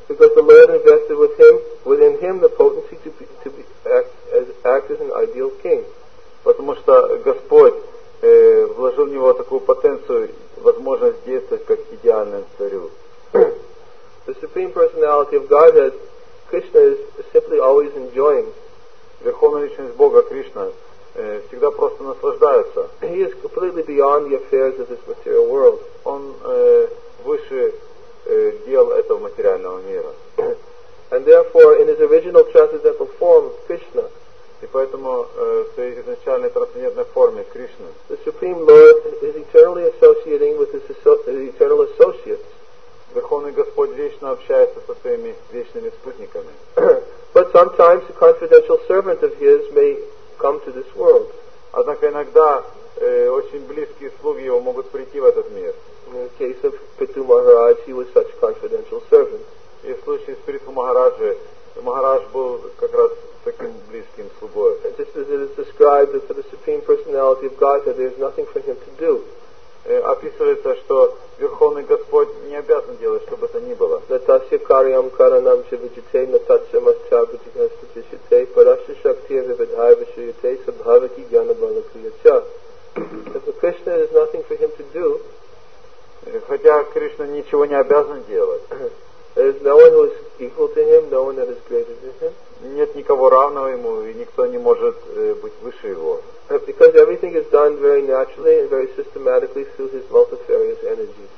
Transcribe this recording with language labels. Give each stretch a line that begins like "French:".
English: Because the Lord invested within him the potency to act as an ideal king.
Russian: Потому что Господь вложил в него такую потенцию, возможность действовать как идеальный царю.
English: The Supreme Personality of Godhead, Krishna is simply always enjoying.
Russian: Верховная личность Бога Кришна всегда просто наслаждается.
English: He is completely beyond the affairs of this material world.
Russian: Он выше дел этого материального мира.
English: And therefore, in his original transcendental form, Krishna.
Russian: И поэтому в своей изначальной трансцендентной форме Кришна.
English: The Supreme Lord is eternally associating with his eternal associates.
Russian: Верховный Господь вечно общается со своими вечными спутниками.
English: But sometimes a confidential servant of his may come to this world.
Russian: Однако иногда очень близкие слуги его могут прийти в этот мир.
English: In the case of Pitu Maharaj, he was such a confidential servant.
Russian: И в случае с Питу Махараджи, Махарадж был как раз таким близким слугой.
English: And just as it is described that for the Supreme Personality of Godhead, there is nothing for him to do.
Russian: Описывается, что Верховный Господь не обязан делать, чтобы это ни было.
Sanskrit: Натасья карьям каранам чавиджите, натасья масча бджигаспатишите, параши шакти авидхай вишуйте, сабхавати гьянабала крияча.
English: For Krishna, there is nothing for him to do.
Russian: Хотя Кришна ничего не обязан делать.
English: There is no one who is equal to him, no one that is greater than him.
Russian: Нет никого равного ему, и никто не может быть выше его.
English: Because everything is done very naturally and very systematically through his multifarious energies.